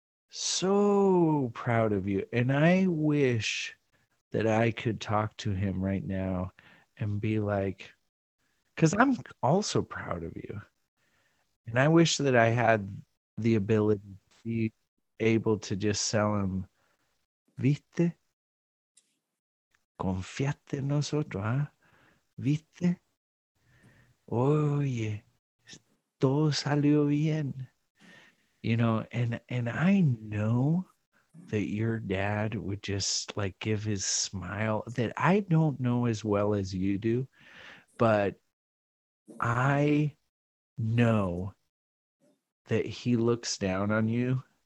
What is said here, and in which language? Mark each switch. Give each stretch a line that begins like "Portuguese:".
English: So proud of you. And I wish that I could talk to him right now and be like, because I'm also proud of you. And I wish that I had the ability to be able to just sell him,
Spanish: viste, confiate en nosotros, ¿eh? Viste, oye, todo salió bien,
English: you know. And I know that your dad would just like give his smile, that I don't know as well as you do, but I know that he looks down on you.